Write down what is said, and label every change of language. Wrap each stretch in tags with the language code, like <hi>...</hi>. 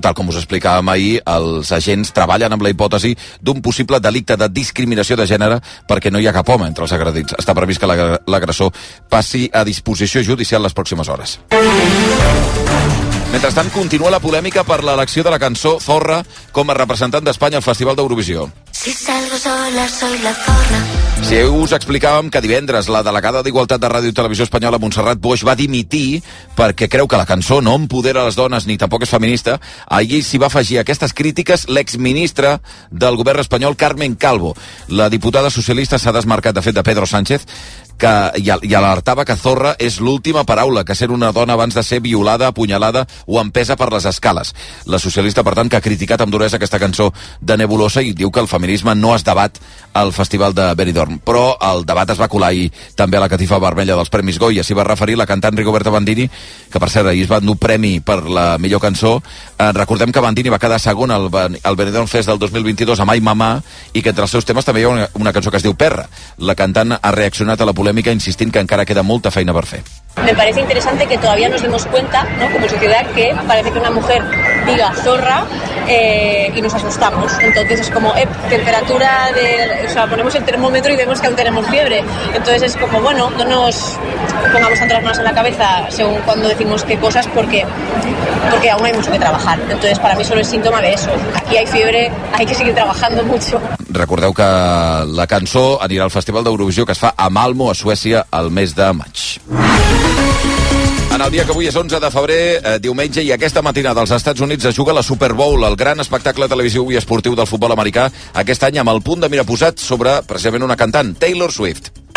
<ca>Tal com us explicàvem ahir, els agents treballen amb la hipòtesi d'un possible delicte de discriminació de gènere perquè no hi ha cap home entre els agredits. Està previst que l'agressor passi a disposició judicial les pròximes hores. Mentrestant, continua la polèmica per l'elecció de la cançó Zorra com a representant d'Espanya al Festival d'Eurovisió.</ca> <es>Si salgo sola, soy la zorra.</es> <ca>Si sí, us explicàvem que divendres la delegada d'Igualtat de Ràdio i Televisió Espanyola, Montserrat Boix, va dimitir perquè creu que la cançó no empodera les dones ni tampoc és feminista, ahir s'hi va afegir aquestes crítiques l'exministre del govern espanyol, Carmen Calvo. La diputada socialista s'ha desmarcat, de fet, de Pedro Sánchez, que i alertava que Zorra és l'última paraula que sent una dona abans de ser violada, apunyalada o empesa per les escales. La socialista, per tant, que ha criticat amb duresa aquesta cançó de Nebulosa i diu que el feminisme no es debat al Festival de Benidorm. Però el debat es va colar ahir també a la catifa vermella dels Premis Goya. S'hi va referir la cantant Rigoberta Bandini, que per cert ahir es va endur premi per la millor cançó. Recordem que Bandini va quedar segon al Benidorm Fest del 2022 amb Ai Mamà i que entre els seus temes també hi ha una cançó que es diu Perra. La cantant ha reaccionat a la polémica insistint que encara queda molta feina per fer.</ca> <es>Me parece interesante que todavía nos demos cuenta, ¿no?, como sociedad, que parece que una mujer diga zorra y nos asustamos. Entonces es como, temperatura de... O sea, ponemos el termómetro y vemos que aún tenemos fiebre. Entonces es como, bueno, no nos pongamos tanto las manos en la cabeza según cuando decimos qué cosas, porque aún hay mucho que trabajar. Entonces para mí solo es síntoma de eso. Aquí hay fiebre, hay que seguir trabajando mucho.</es> <ca>Recordeu que la cançó anirà al Festival d'Eurovisió que es fa a Malmo, a Suècia, el mes de maig. En el dia que avui és 11 de febrer, diumenge, i aquesta matina dels Estats Units es juga la Super Bowl, el gran espectacle televisiu i esportiu del futbol americà, aquest any amb el punt de mira posat sobre, precisament, una cantant, Taylor Swift.</ca>